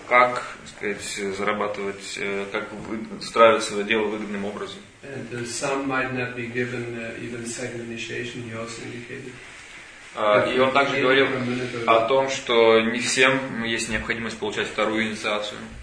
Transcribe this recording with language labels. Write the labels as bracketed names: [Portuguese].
[Russian] Как, так сказать, зарабатывать, как устраивать свое дело выгодным образом. [English] And some might not be given even second initiation, he also indicated. [Russian] И он также говорил о том, что не всем есть необходимость получать вторую инициацию.